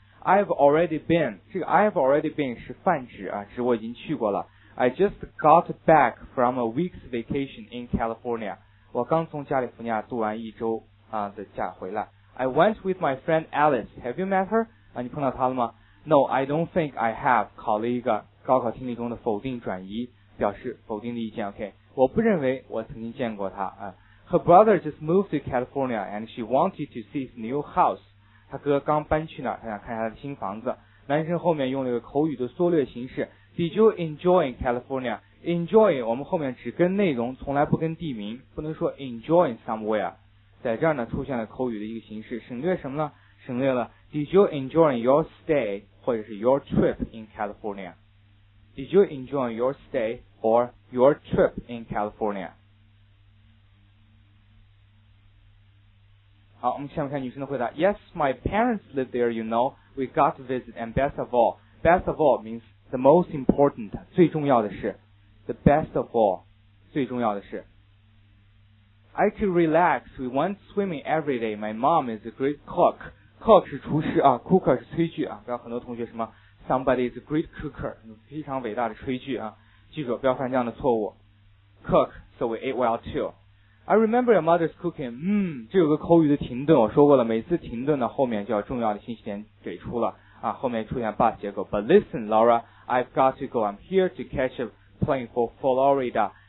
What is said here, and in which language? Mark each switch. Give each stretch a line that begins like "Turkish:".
English: I've already been，
Chinese: 这个
English: I've already been
Chinese: 是泛指啊，指我已经去过了。
English: I just got back from a week's vacation in California。
Chinese: 我刚从加利福尼亚度完一周啊的假回来。
English: I went with my friend Alice. Have you met her?
Chinese: 啊，你碰到她了吗 ？
English: No, I don't think I have.
Chinese: 考了一个高考听力中的否定转移，表示否定的意见。OK， 我不认为我曾经见过她啊。
English: Her brother just moved to California and she wanted to see his new house.
Chinese: 他哥刚搬去哪儿，他想看一下他的新房子。男生后面用了一个口语的缩略形式 ，
English: Did you enjoy California?
Chinese: Enjoy， 我们后面只跟内容，从来不跟地名，不能说 enjoy somewhere。在这儿呢，出现了口语的一个形式，省略什么呢？省略了
English: Did you enjoy your stay
Chinese: 或者是
English: your trip in California? Did you enjoy your stay or your trip in California?
Chinese: 好，我们下面看女生的回答。
English: Yes, my parents live there, you know. We got to visit, and best of all means the most important,
Chinese: 最重要的是
English: the best of all, 最重要的是 I could relax, we went swimming every day. My mom is a great cook.
Chinese: Cook 是厨师啊 ,cooker 是炊具啊，不要很多同学什么
English: somebody is a great cooker,
Chinese: 非常伟大的炊具啊，记住不要犯这样的错误。
English: Cook, so we ate well too. I remember your mother's cooking.
Chinese: 这有个口语的停顿，我说过了，每次停顿呢，后面就要重要的信息点给出了啊，后面出现 but 结构。
English: But listen, Laura, I've got to go. I'm here to catch a plane for Florida.